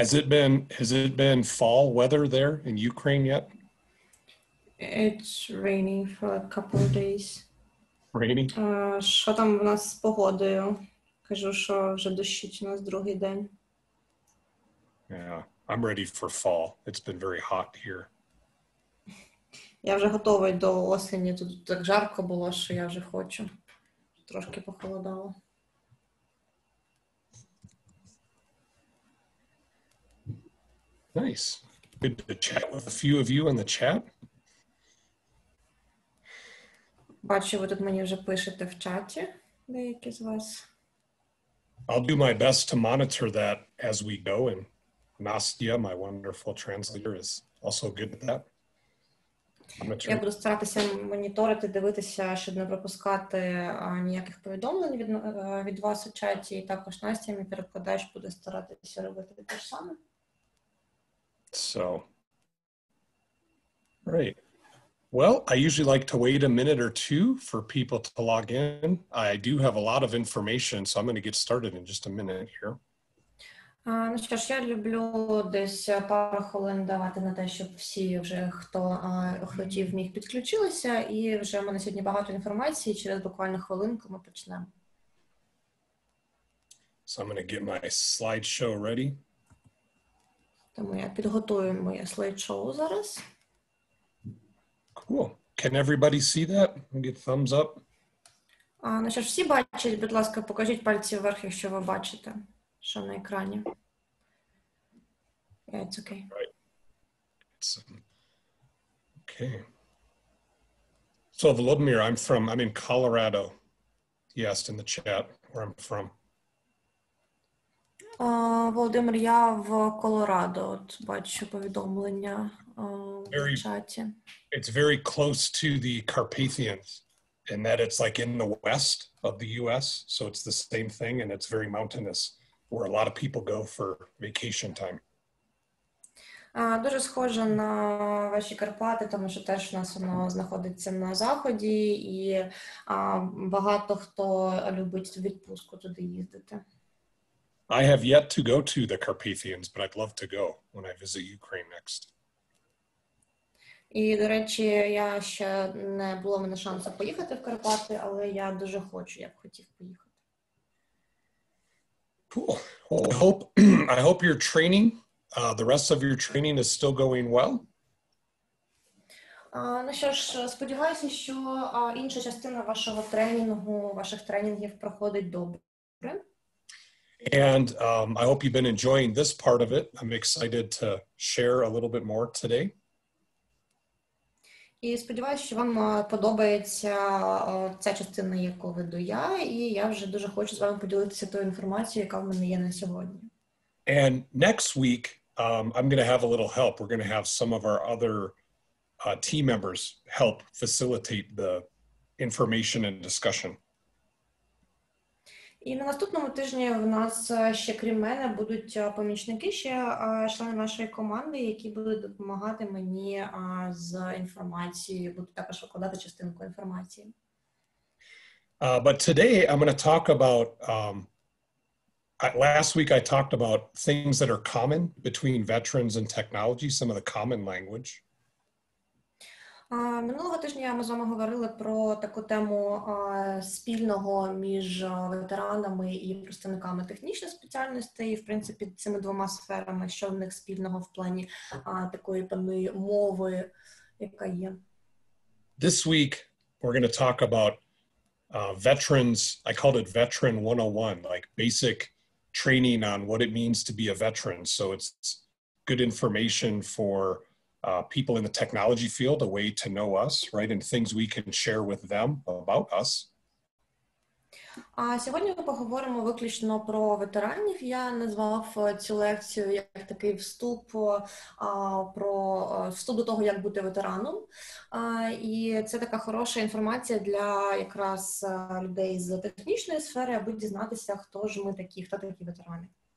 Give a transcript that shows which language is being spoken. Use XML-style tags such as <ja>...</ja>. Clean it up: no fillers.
<en>Has it been fall weather there in Ukraine yet? It's raining for a couple of days. Raining?</en> <uk>Що там в нас з погодою? Кажу, що вже дощить у нас другий день.</uk> <en>Yeah, I'm ready for fall. It's been very hot here.</en> <uk>Я вже готовий до осені. Тут так жарко було, що я вже хочу. Трошки похолодало.</uk> <en>Nice. Good to chat with a few of you in the chat.</en> <uk>Бачу, ви тут мені вже пишете в чаті деякі з вас.</uk> <en>I'll do my best to monitor that as we go, and Nastya, my wonderful translator, is also good at that.</en> <uk>Я буду старатися моніторити, дивитися, щоб не пропускати ніяких повідомлень від вас у чаті, і також Настя, мій перекладач, буде старатися робити те ж саме.</uk> <en>So, right. Well, I usually like to wait a minute or two for people to log in. I do have a lot of information, so I'm going to get started in just a minute here.</en> <uk>Ну що ж, я люблю десь пару хвилин давати на те, щоб всі вже, хто хотів, міг підключилися, і вже в мене сьогодні багато інформації, через буквально хвилинку ми почнемо.</uk> <en>So I'm going to get my slideshow ready.</en> <uk>Тому я підготую моє слайд-шоу зараз.</uk> <en>Cool. Can everybody see that? Give thumbs up.</en> <uk>Ну що ж, всі бачать, будь ласка, покажіть пальці вверх, якщо ви бачите, що на екрані.</uk> <en>Yeah, it's okay. Right. It's, okay. So, Volodymyr, I'm in Colorado. He asked in the chat where I'm from.</en> <uk>Володимир, я в Колорадо. От бачу повідомлення в чаті.</uk> <en>It's very close to the Carpathians, and that it's like in the west of the US, so it's the same thing, and it's very mountainous, where a lot of people go for vacation time.</en> <uk>Дуже схоже на ваші Карпати, тому що теж у нас воно знаходиться на заході, і багато хто любить відпустку туди їздити.</uk> <en>I have yet to go to the Carpathians, but I'd love to go when I visit Ukraine next.</en> <uk>І, до речі, я ще не було мене шансу поїхати в Карпати, але я дуже хочу, я б хотів поїхати.</uk> <en>Cool. Well, I hope your training, the rest of your training is still going well.</en> <uk>Ну що ж, сподіваюся, що інша частина вашого тренінгу, ваших тренінгів проходить добре.</uk> <en>And I hope you've been enjoying this part of it. I'm excited to share a little bit more today.</en> <uk>І сподіваюся, що вам подобається ця частина, яку веду я, і я вже дуже хочу з вами поділитися тою інформацією, яка в мене є на сьогодні.</uk> <en>And next week, I'm going to have a little help. We're going to have some of our other team members help facilitate the information and discussion.</en> <uk>І на наступному тижні в нас ще, крім мене, будуть помічники, ще члени нашої команди, які будуть допомагати мені з інформацією, будуть також викладати частинку інформації.</uk> <en>But today I'm going to talk about, last week I talked about things that are common between veterans and technology, some of the common language.</en> <uk>Минулого тижня ми з вами говорили про таку тему спільного між ветеранами і представниками технічних спеціальностей, в принципі, цими двома сферами, що в них спільного в плані такої певної мови, яка є.</uk> <en>This week we're going to talk about veterans. I called it veteran 101, like basic training on what it means to be a veteran. So it's good information for people in the technology field, a way to know us, right, and things we can share with them about us.</en> <uk>Сьогодні ми поговоримо виключно про ветеранів. Я назвав цю лекцію як такий вступ про вступ до того, як бути ветераном. І це така хороша інформація для якраз людей з технічної сфери, аби дізнатися, хто ж ми такі, хто такі ветерани.</uk>